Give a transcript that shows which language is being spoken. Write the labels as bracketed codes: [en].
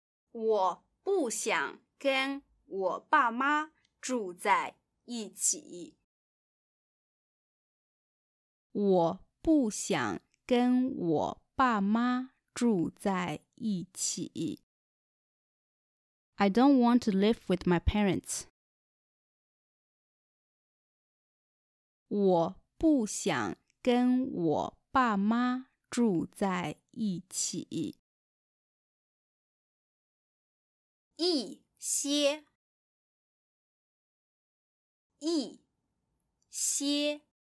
[zh] 我不想跟我爸妈住在一起。我不想跟我爸妈住在一起。 [en] I don't want to live with my parents. [zh] 我不想跟我爸妈住在一起。一些，一些